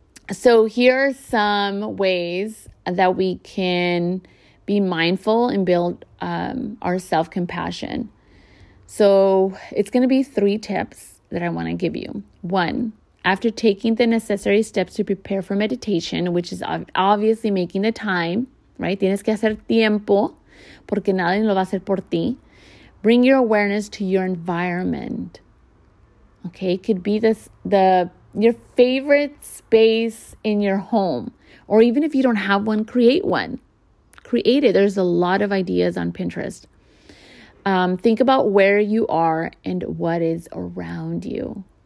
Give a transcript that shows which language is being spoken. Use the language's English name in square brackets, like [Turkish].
[English] So here are some ways that we can be mindful and build our self-compassion. So it's going to be three tips that I want to give you. One, after taking the necessary steps to prepare for meditation, which is obviously making the time, right? [Spanish] Tienes que hacer tiempo porque nadie lo va a hacer por ti. [English] Bring your awareness to your environment. Okay, it could be your favorite space in your home. Or even if you don't have one, create one. Create it. There's a lot of ideas on Pinterest. Think about where you are and what is around you.